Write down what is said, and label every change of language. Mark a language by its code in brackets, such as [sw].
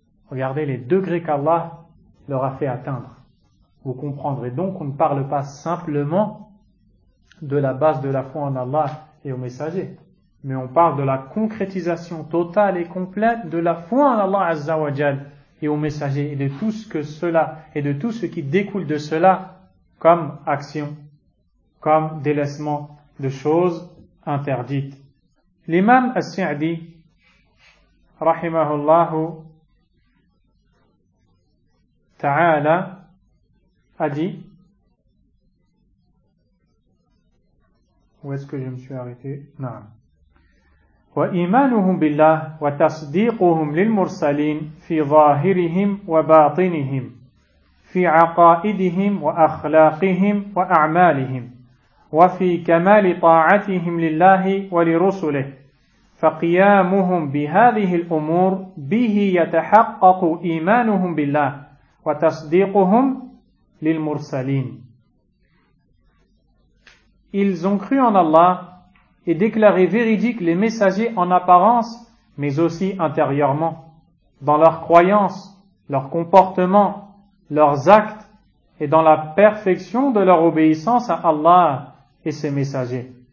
[fr] Regardez les degrés qu'Allah leur a fait atteindre. Vous comprendrez donc qu'on ne parle pas simplement de la base de la foi en Allah et au messager, mais on parle de la concrétisation totale et complète de la foi en Allah Azza wa Jal et au messager, et de tout ce que cela et de tout ce qui découle de cela comme action, comme délaissement de choses interdites. L'imam As-Sa'di rahimahullah ta'ala a dit, où est-ce que je me suis arrêté? Non. [ar] وإيمانهم بالله وتصديقهم للمرسلين في ظاهرهم وباطنهم في عقائدهم وأخلاقهم وأعمالهم وفي كمال طاعتهم لله ولرسله فقيامهم بهذه الأمور به يتحقق إيمانهم بالله وتصديقهم للمرسلين. [fr] Ils ont cru en Allah et déclaré véridiques les messagers en apparence, mais aussi intérieurement, dans leurs croyances, leurs comportements, leurs actes, et dans la perfection de leur obéissance à Allah et ses messagers.